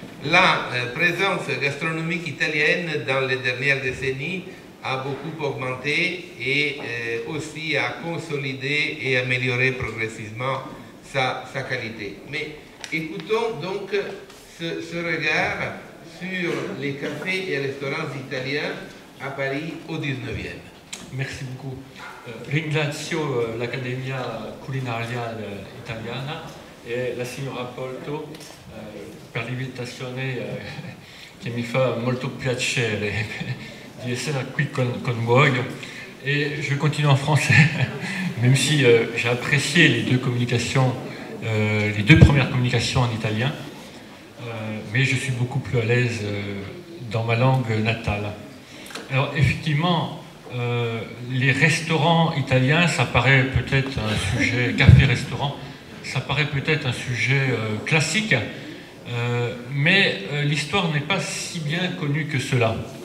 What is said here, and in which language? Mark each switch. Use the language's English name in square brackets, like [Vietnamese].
[French] La présence gastronomique italienne dans les dernières décennies a beaucoup augmenté et aussi a consolidé et amélioré progressivement sa qualité. Mais écoutons donc ce regard sur les cafés et restaurants italiens à Paris au 19e. Merci beaucoup. [Italian] Ringrazio l'Accademia Culinaria Italiana e la signora Polto per l'invitazione che mi fa molto piacere di essere qui con voi. [French] E je continue en français, même si j'ai apprécié les deux premières communications en italien, mais je suis beaucoup plus à l'aise dans ma langue natale. Alors effectivement, les restaurants italiens, ça paraît peut-être un sujet, café-restaurant, ça paraît peut-être un sujet classique, mais l'histoire n'est pas si bien connue que cela.